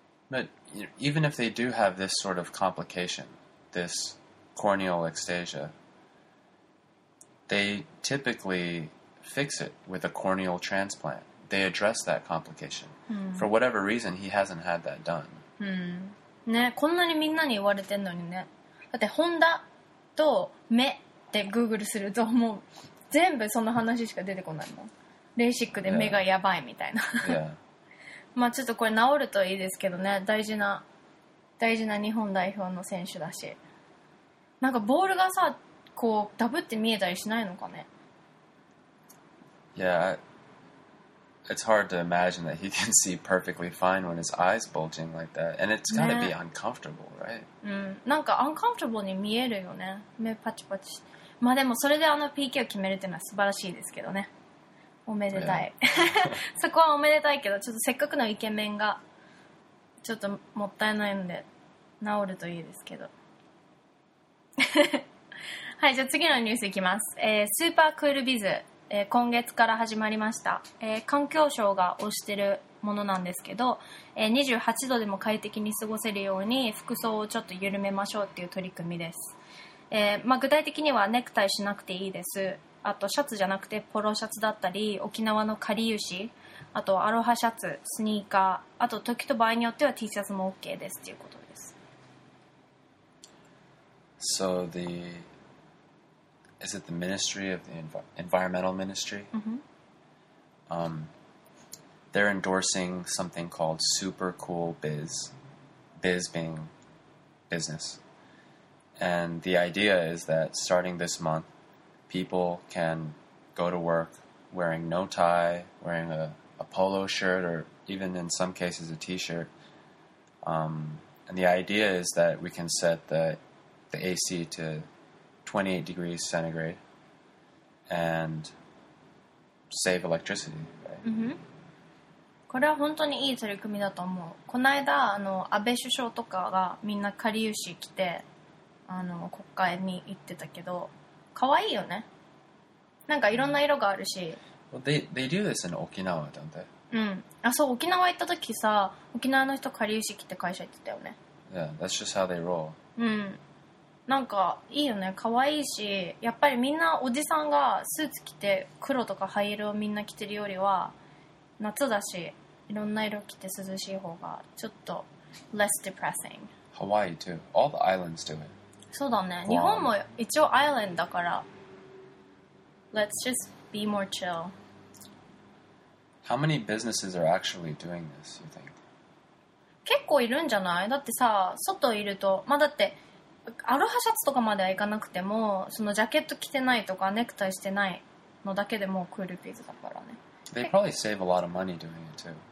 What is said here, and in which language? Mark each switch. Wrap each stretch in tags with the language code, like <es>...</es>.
<en>But even if they do have this sort of complication, this corneal ectasia, they typically fix it with a corneal transplant, they address that complication. For whatever reason, he hasn't had that done.</en> <ja>ね、こんなにみんなに言われてんのにね。だってホンダと目って Google すると、もう全部その話しか出てこないの。レーシックで目がやばいみたいな。 Yeah. まあちょっとこれ治るといいですけどね。大事な大事な日本代表の選手だし。なんかボールがさ、こうダブって見えたりしないのかね。</ja> <en>Yeah, it's hard to imagine that he can see perfectly fine when his eyes bulging like that, and it's gotta be uncomfortable, right?</en> <ja>うん、なんか uncomfortable に見えるよね。目パチパチ。まあでもそれであの PK を決めるっていうのは素晴らしいですけどね。おめでたい。そこはおめでたいけど、ちょっとせっかくのイケメンがちょっともったいないんで治るといいですけど。はい、じゃあ次のニュースいきます。スーパークールビズ、今月から始まりました。環境省が推してるものなんですけど、28度でも快適に過ごせるように服装をちょっと緩めましょうっていう取り組みです。まあ、具体的にはネクタイしなくていいです。あとシャツじゃなくてポロシャツだったり、沖縄のかりゆし、あとアロハシャツ、スニーカー、あと時と場合によっては T シャツも OK ですということです。</ja> <en>So the... Is it the Ministry of the Environmental Ministry? Mm-hmm. They're endorsing something called Super Cool Biz. Biz being business. And the idea is that starting this month, people can go to work wearing no tie, wearing a polo shirt, or even in some cases a t-shirt. And the idea is that we can set the AC to 28 degrees centigrade and save electricity. Mm-hmm.</en> <ja>これは本当にいい取り組みだと思う。この間あの安倍首相とかがみんなかりゆし着てあの国会に行ってたけど、かわいいよね。なんかいろんな色があるし。</ja> <en>Well, they do this in Okinawa, don't they?</en> <ja>うん。あ、そう、沖縄行った時さ、沖縄の人かりゆし着て会社行ってたよね。</ja> <en>Yeah, that's just how they roll. うん。</en> <ja>なんかいいよね、かわいいし、やっぱりみんなおじさんがスーツ着て黒とか灰色をみんな着てるよりは夏だし、いろんな色着て涼しい方がちょっと</ja> <en>less depressing. Hawaii too. All the islands do it.</en> <ja>そうだね。日本も一応アイランドだから</ja> <en>let's just be more chill. How many businesses are actually doing this, you think?</en> <ja>結構いるんじゃない？だってさ、外いると、まあだってアロハシャツとかまではいかなくても、そのジャケット着てないとかネクタイしてないのだけでもうクールピーズだからね。</ja> <en>They probably save a lot of money doing it too.</en>